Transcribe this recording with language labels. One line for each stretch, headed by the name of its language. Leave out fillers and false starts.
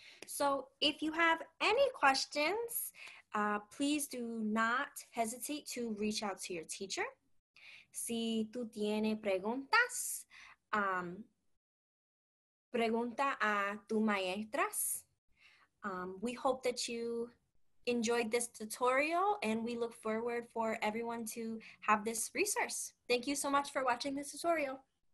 English: So if you have any questions, please do not hesitate to reach out to your teacher.
Spanish: Si tú tienes preguntas, pregunta a tu maestras.
English: We hope that you enjoyed this tutorial and we look forward for everyone to have this resource. Thank you so much for watching this tutorial.